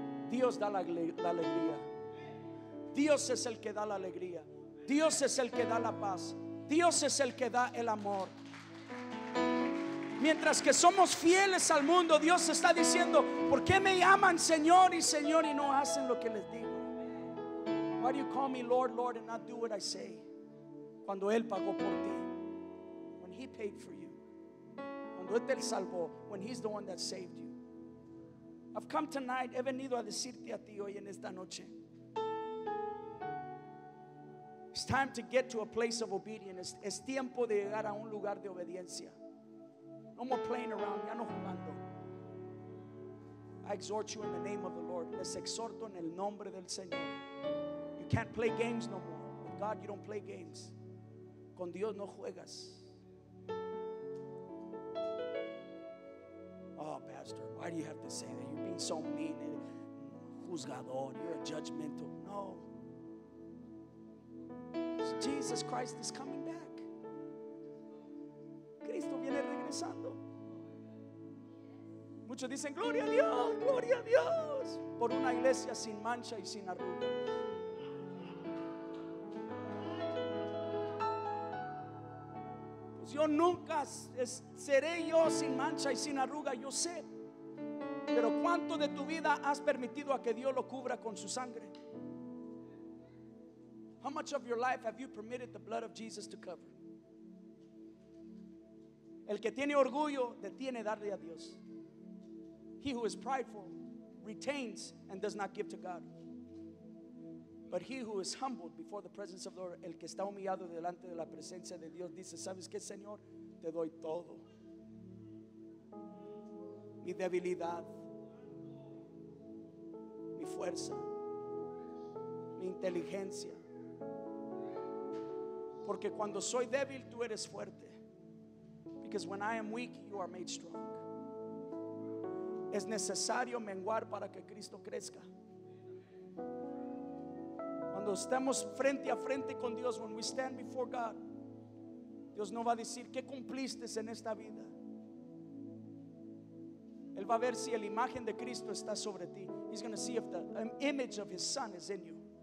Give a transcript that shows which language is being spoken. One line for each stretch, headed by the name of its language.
Spanish: Dios da la alegría. Dios es el que da la alegría. Dios es el que da la paz. Dios es el que da el amor. Mientras que somos fieles al mundo, Dios está diciendo, ¿por qué me llaman Señor y Señor y no hacen lo que les digo?
English: Why do you call me Lord, Lord and not do what I say?
Spanish: Cuando Él pagó por ti.
English: When He paid for you.
Spanish: Cuando Él te salvó.
English: When He's the one that saved you. I've come tonight,
Spanish: he venido a decirte a ti hoy en esta noche.
English: It's time to get to a place of obedience.
Spanish: Es tiempo de llegar a un lugar de obediencia.
English: No more playing around,
Spanish: ya no jugando.
English: I exhort you in the name of the Lord.
Spanish: Les exhorto en el nombre del Señor.
English: You can't play games no more. With God, you don't play games.
Spanish: Con Dios no juegas.
English: Why do you have to say that? You're being so mean and juzgador. You're a judgmental. No. Jesus Christ is coming back.
Spanish: Cristo viene regresando. Muchos dicen gloria a Dios, gloria a Dios, por una iglesia sin mancha y sin arruga. Pues yo nunca seré yo sin mancha y sin arruga, yo sé. Pero ¿cuánto de tu vida has permitido a que Dios lo cubra con su sangre?
English: How much of your life have you permitted the blood of Jesus to cover?
Spanish: El que tiene orgullo detiene darle a Dios.
English: He who is prideful retains and does not give to God. But he who is humbled before the presence of the Lord,
Spanish: el que está humillado delante de la presencia de Dios, dice, ¿sabes qué, Señor? Te doy todo. Mi debilidad, mi fuerza, mi inteligencia. Porque cuando soy débil, tú eres fuerte.
English: Because when I am weak, you are made strong.
Spanish: Es necesario menguar para que Cristo crezca. Cuando estemos frente a frente con Dios,
English: when we stand before God,
Spanish: Dios no va a decir, ¿qué cumpliste en esta vida? Él va a ver si la imagen de Cristo está sobre ti.
English: He's going to see if the image of his son is in you.